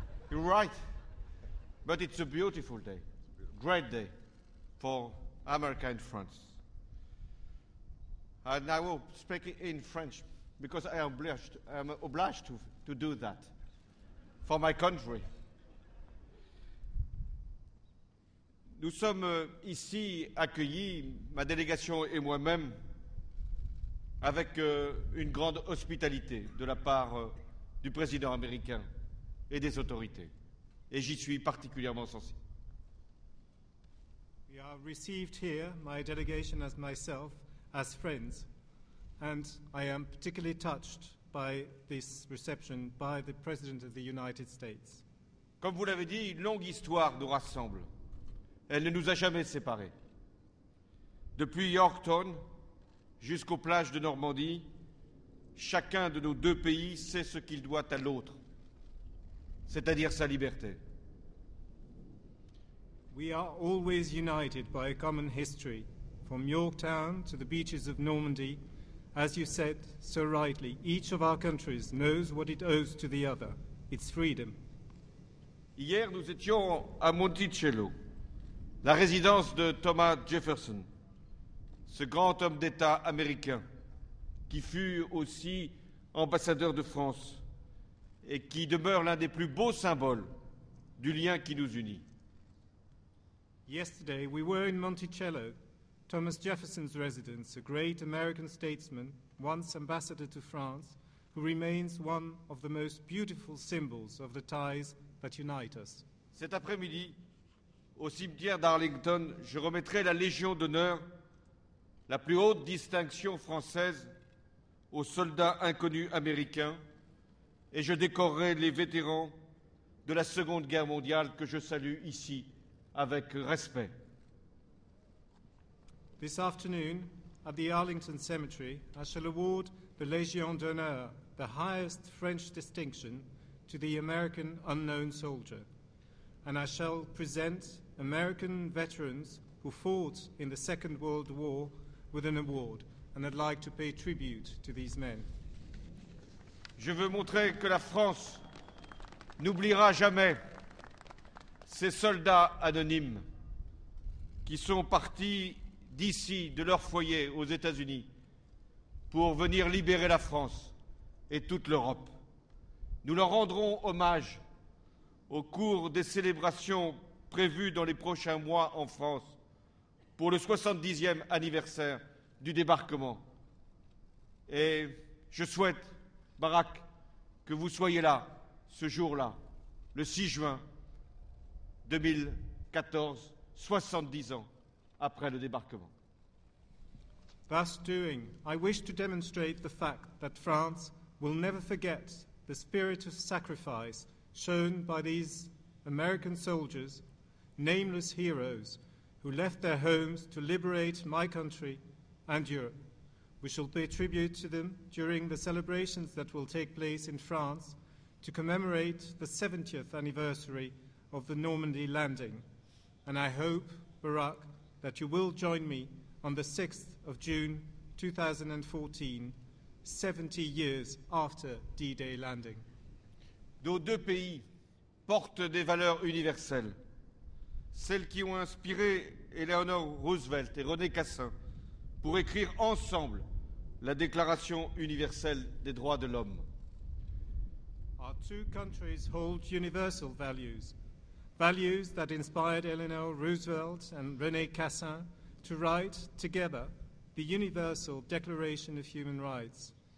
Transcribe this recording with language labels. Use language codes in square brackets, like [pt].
[en] You're right, but it's a beautiful day, great day for America and France. And I will speak in French because I am obliged, to do that for my country. [fr] Nous sommes ici accueillis, ma délégation et moi-même, avec une grande hospitalité de la part du président américain et des autorités. Et j'y suis particulièrement sensible. [en] We are received here, my delegation as myself, as friends. And I am particularly touched by this reception by the President of the United States. [fr] Comme vous l'avez dit, une longue histoire nous rassemble. Elle ne nous a jamais séparés. Depuis Yorktown jusqu'aux plages de Normandie, chacun de nos deux pays sait ce qu'il doit à l'autre, c'est-à-dire sa liberté. [en] We are always united by a common history, from Yorktown to the beaches of Normandy. As you said so rightly, each of our countries knows what it owes to the other, its freedom. [fr] Hier, nous étions à Monticello, la résidence de Thomas Jefferson, ce grand homme d'État américain qui fut aussi ambassadeur de France et qui demeure l'un des plus beaux symboles du lien qui nous unit. [en] Yesterday we were in Monticello, Thomas Jefferson's residence, a great American statesman, once ambassador to France, who remains one of the most beautiful symbols of the ties that unite us. [fr] Cet après-midi, au cimetière d'Arlington, je remettrai la Légion d'honneur, la plus haute distinction française, aux soldats inconnus américains, et je décorerai les vétérans de la Seconde Guerre mondiale que je salue ici avec respect. [en] This afternoon, at the Arlington Cemetery, I shall award the Légion d'honneur, the highest French distinction, to the American unknown soldier, and I shall present American veterans who fought in the Second World War with an award, and I'd like to pay tribute to these men. [fr] Je veux montrer que la France n'oubliera jamais ces soldats anonymes qui sont partis d'ici, de leur foyer aux États-Unis, pour venir libérer la France et toute l'Europe. Nous leur rendrons hommage au cours des célébrations prévues dans les prochains mois en France pour le 70e anniversaire du débarquement. Et je souhaite, Barack, que vous soyez là ce jour-là, le 6 juin 2014, 70 ans après le débarquement. [en] Thus doing, I wish to demonstrate the fact that France will never forget the spirit of sacrifice shown by these American soldiers, nameless heroes, who left their homes to liberate my country and Europe. We shall pay tribute to them during the celebrations that will take place in France to commemorate the 70th anniversary of the Normandy landing. And I hope, Barack, that you will join me on the 6th of June 2014, 70 years after D-Day landing. [fr] Nos deux pays portent des valeurs universelles, celles qui ont inspiré Eleanor Roosevelt et René Cassin pour écrire ensemble la Déclaration universelle des droits de l'homme. [en] Our two countries hold universal values, values that inspired Eleanor Roosevelt and René Cassin to write together the Universal Declaration of Human Rights.